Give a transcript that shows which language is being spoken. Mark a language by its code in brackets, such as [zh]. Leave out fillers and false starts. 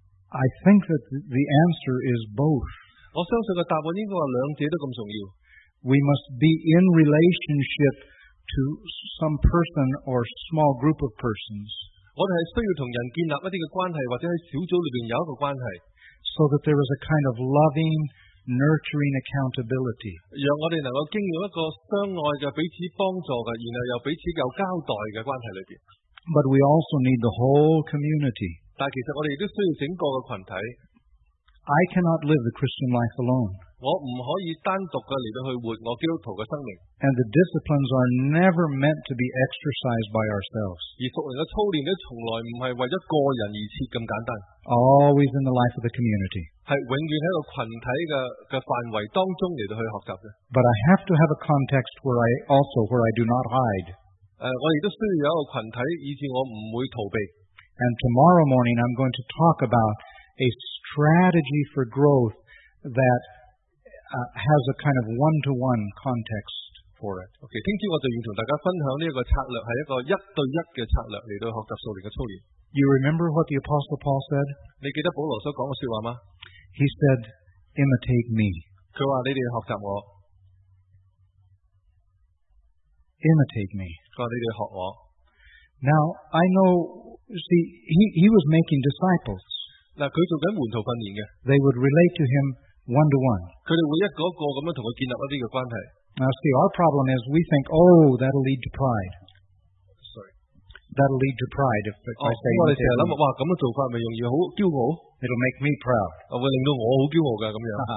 [en] I think that the answer is both. [zh] 我相信的答案应该说两者都这么重要。 [en] We must be in relationship to some person or small group of persons. [zh] 我们是需要跟人建立一些关系，或者在小组里面有一个关系。 [en] So that there is a kind of loving, nurturing accountability. [zh] 让我们能够经历一个相爱的、彼此帮助的，然后又彼此有交代的关系里面。 [en] But we also need the whole community. [zh] 但其实我们也需要整个的群体。 [en] I cannot live the Christian life alone. [zh] 我不可以单独的来去活我基督徒的生命。 [en] And the disciplines are never meant to be exercised by ourselves. [zh] 而属灵的操练从来不是为了个人而设这么简单。 [en] Always in the life of the community. [zh] 是永远在一个群体 的范围当中来去学习的。 [en] But I have to have a context where I do not hide. [zh] 我也需要有一个群体以致我不会逃避。 [en] And tomorrow morning I'm going to talk about a strategy for growth that has a kind of one-to-one context for it. [zh] Okay, 今天我就要同大家分享这个策略，是一个一对一的策略来到学习属灵的操练。 [en] You remember what the Apostle Paul said? [zh] 你记得保罗所讲的说话吗？ [en] He said, imitate me. [zh] 他说你们学习我。 [en] Imitate me. [zh] 他说你们学我。 [en] Now, I know, see, he was making disciples. [zh] 他在做门徒训练的。 [en] They would relate to him one to one. [zh] 他们会一个一个地跟他建立一些关系。 [en] Now see, our problem is we think, oh, that'll lead to pride. Sorry. That'll lead to pride if I say that. [zh] 我们经常想，哇，这样做法不容易，好骄傲。 [en] It'll make me proud. [zh] 会令到我很骄傲的，这样。